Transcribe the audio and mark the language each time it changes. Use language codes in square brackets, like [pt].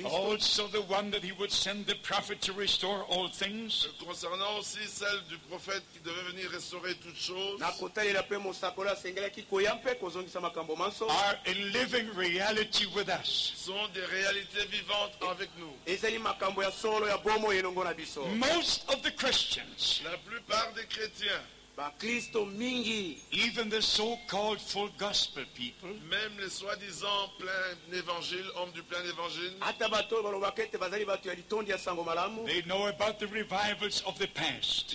[en] Also the one that he would send the prophet to restore all things. [fr] Concernant aussi celle du prophète qui devait venir restaurer toutes choses. [en] Are a living reality with us. [fr] Sont des réalités vivantes avec nous. [en] Most of the Christians, [fr] la plupart des chrétiens, [en] even the so-called full gospel people, [fr] même les soi-disant plein évangile, hommes du plein évangile, [en] they know about the revivals of the past.